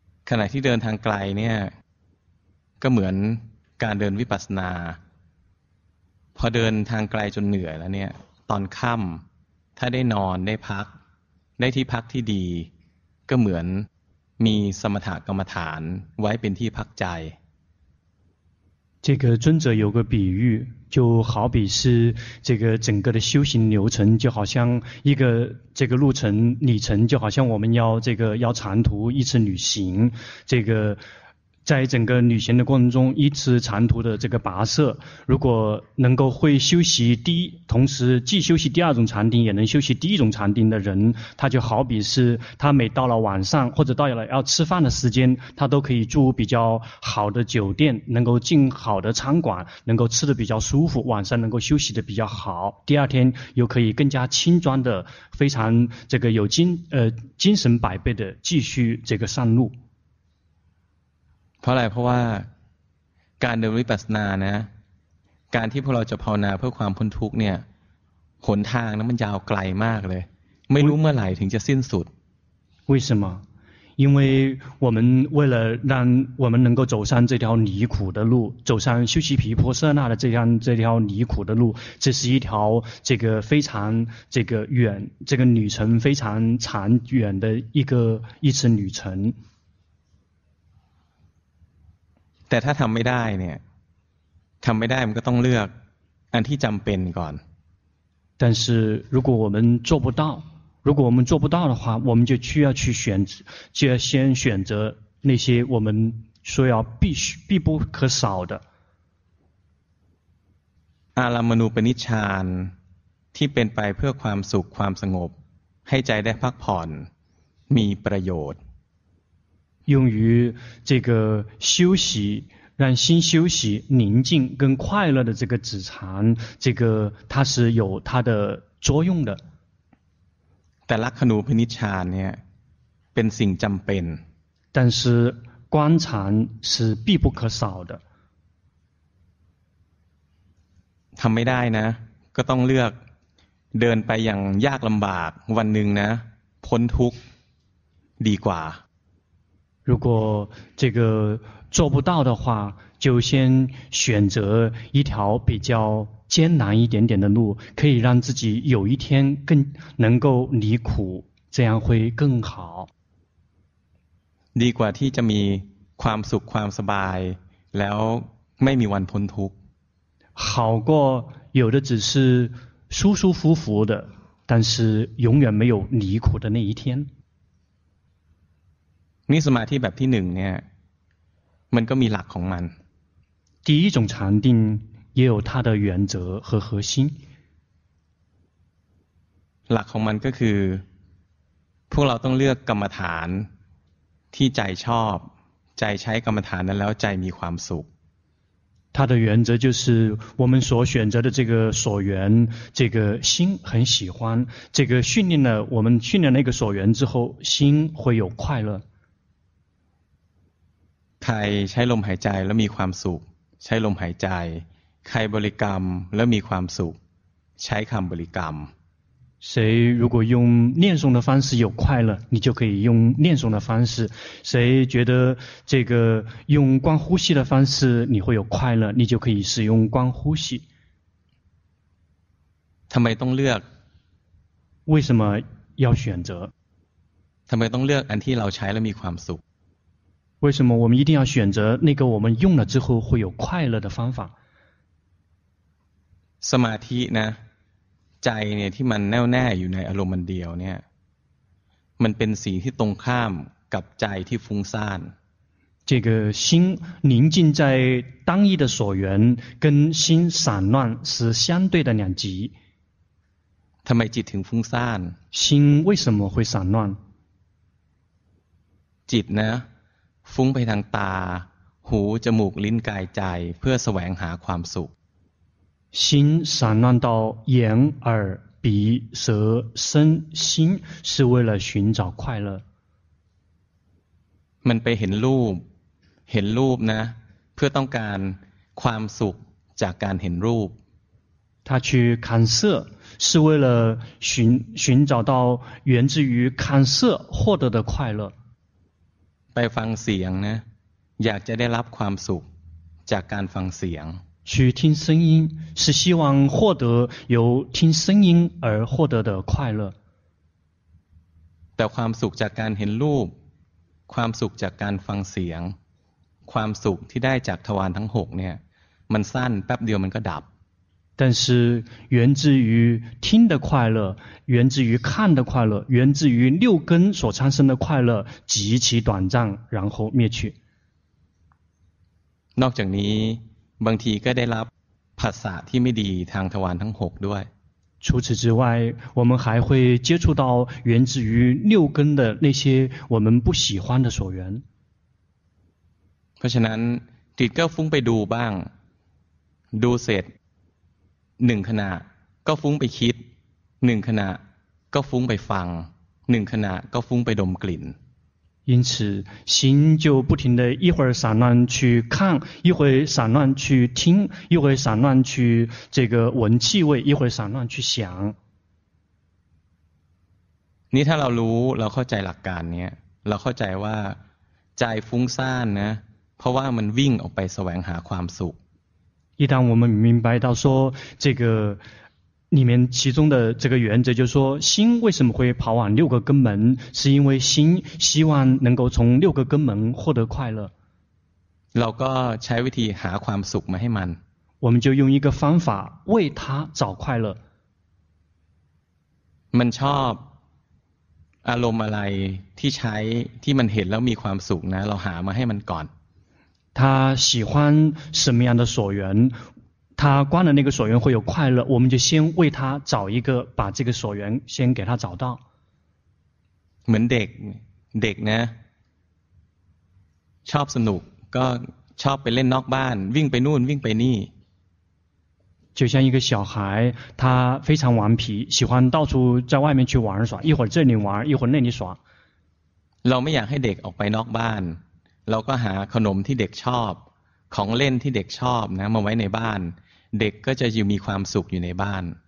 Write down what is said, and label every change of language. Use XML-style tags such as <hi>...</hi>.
<th>ขณะที่เดินทางไกลเนี่ยก็เหมือนการเดินวิปัสสนาพอเดินทางไกลจนเหนื่อยแล้วเนี่ยตอนค่ำถ้าได้นอนได้พักได้ที่พักที่ดีก็เหมือนมีสมถกรรมฐานไว้เป็นที่พักใจ</th> <zh>这个尊者有个比喻就好比是这个整个的修行流程就好像一个这个路程里程就好像我们要这个要长途一次旅行这个在整个旅行的过程中一次长途的这个跋涉如果能够会休息第一同时既休息第二种禅定也能休息第一种禅定的人他就好比是他每到了晚上或者到了要吃饭的时间他都可以住比较好的酒店能够进好的餐馆能够吃得比较舒服晚上能够休息得比较好第二天又可以更加轻装的非常这个有精神百倍的继续这个上路</zh> <th>เพราะอะไรเพราะว่าการเดินวิปัสสนานะการที่พวกเราจะภาวนาเพื่อความพ้นทุกข์เนี่ยหนทางนั้นมันยาวไกลมากเลยไม่รู้เมื่อไหร่ถึงจะสิ้นสุด</th> <zh>为什么因为我们为了让我们能够走上这条离苦的路走上修习毗婆舍那的这条离苦的路这是一条这个非常这个远这个旅程非常长远的一次旅程</zh> <th>แต่ถ้าทำไม่ได้เนี่ยทำไม่ได้มันก็ต้องเลือกอันที่จำเป็นก่อน</th> <zh>但是如果我们做不到如果我们做不到的话我们就需要去选择就要先选择那些我们说要必不可少的</zh> <th>อารัมมณูปนิชฌานที่เป็นไปเพื่อความสุขความสงบให้ใจได้พักผ่อนมีประโยชน์</th> <zh>用于这个休息让心休息宁静跟快乐的这个止禅这个它是有它的作用的</zh> <th>แต่ลักขณูปนิชฌานเนี่ยเป็นสิ่งจำเป็น</th> <zh>但是观禅是必不可少的</zh> <th>ทำไม่ได้นะก็ต้องเลือก เดินไปอย่างยากลำบากวันหนึ่งนะพ้นทุกข์ดีกว่า</th> <zh>如果这个做不到的话就先选择一条比较艰难一点点的路可以让自己有一天更能够离苦这样会更好</zh> <th>ดีกว่าที่จะมีความสุขความสบายแล้วไม่มีวันพ้นทุกข์</th> <zh>好过有的只是舒舒服服的但是永远没有离苦的那一天</zh> <th>นี่สมาธิแบบที่หนึ่งเนี่ยมันก็มีหลักของมัน</th> <zh>第一种禅定也有它的原则和核心</zh> <th>หลักของมันก็คือพวกเราต้องเลือกกรรมฐานที่ใจชอบใจใช้กรรมฐานนั้นแล้วใจมีความสุข</th> <zh>它的原则就是我们所选择的这个所缘这个心很喜欢这个训练了我们训练那个所缘之后心会有快乐</zh> <th>ใครใช้ลมหายใจแล้วมีความสุขใช้ลมหายใจใครบริกรรมแล้วมีความสุขใช้คำบริกรรม</th> <zh>谁如果用念诵的方式有快乐你就可以用念诵的方式谁觉得这个用观呼吸的方式你会有快乐你就可以使用观呼吸</zh> <th>ทำไมต้องเลือก</th> <zh>为什么要选择</zh> <th>ทำไมต้องเลือกอันที่เราใช้แล้วมีความสุข</th> <zh>为什么我们一定要选择那个我们用了之后会有快乐的方法</zh> <th>สมาธินะใจเนี่ยที่มันแน่วแน่อยู่ในอารมณ์มันเดียวเนี่ยมันเป็นสิ่งที่ตรงข้ามกับใจที่ฟุ้งซ่าน</th> <zh>这个心宁静在单一的所缘跟心散乱是相对的两极</zh> <th>ทำไมจิตถึงฟุ้งซ่าน</th> <zh>心为什么会散乱</zh> <th>จิตนะฟุ้งไปทางตาหูจมูกลิ้นกายใจเพื่อแสวงหาความสุข</th> <zh>心散乱到眼耳鼻舌身心是为了寻找快乐</zh> <th>มันไปเห็นรูปเห็นรูปนะเพื่อต้องการความสุขจากการเห็นรูป</th> <zh>他去看色是为了寻找到源自于看色获得的快乐</zh> <th>ไปฟังเสียงนะอยากจะได้รับความสุขจากการฟังเสียง</th> <zh>去听声音是希望获得由听声音而获得的快乐</zh> <th>แต่ความสุขจากการเห็นรูปความสุขจากการฟังเสียงความสุขที่ได้จากทวารทั้ง6เนี่ยมันสั้นแป๊บเดียวมันก็ดับ</th> <zh>但是源自于听的快乐源自于看的快乐源自于六根所产生的快乐极其短暂然后灭去</zh> <th>นอกจากนี้บางทีก็ได้รับผัสสะที่ไม่ดีทางทวารทั้ง6ด้วย</th> <zh>除此之外我们还会接触到源自于六根的那些我们不喜欢的所缘</zh> <th>เพราะฉะนั้นจิตก็ฟุ้งไปดูบ้างดูเสร็จ1ขณะก็ฟุ้งไปคิด1ขณะก็ฟุ้งไปฟัง1ขณะก็ฟุ้งไปดมกลิ่น</th> <zh>因此心就不停地一会儿散乱去看一会儿散乱去听一会儿散乱去这个闻气味一会儿散乱去想</zh> <th>นี่ถ้าเรารู้เราเข้าใจหลักการเนี่ยเราเข้าใจว่าใจฟุ้งซ่านนะเพราะว่ามันวิ่งออกไปแสวงหาความสุข</th> <zh>一旦我们明白到说这个里面其中的这个原则就是说心为什么会跑往六个根门是因为心希望能够从六个根门获得快乐</zh> <th>เราก็ใช้วิธีหาความสุขมาให้มัน</th> <zh>我们就用一个方法为他找快乐</zh> <th>มันชอบอารมณ์อะไรที่ใช้ที่มันเห็นแล้วมีความสุขนะเราหามาให้มันก่อน</th> <zh>他喜欢什么样的所缘他观的那个所缘会有快乐我们就先为他找一个把这个所缘先给他找到</zh> <th>เหมือนเด็กเด็กนะชอบสนุกก็ชอบไปเล่นนอกบ้านวิ่งไปนู่นวิ่งไปนี่</th> <zh>就像一个小孩他非常顽皮喜欢到处在外面去玩耍一会儿这里玩一会儿那里耍</zh> <th>เราไม่อยากให้เด็กออกไปนอกบ้านเราก็หาขนมที่เด็กชอบของเล่นที่เด็กชอบนะมาไว้ในบ้านเด็กก็จะอยู่มีความสุขอยู่ในบ้าน</th>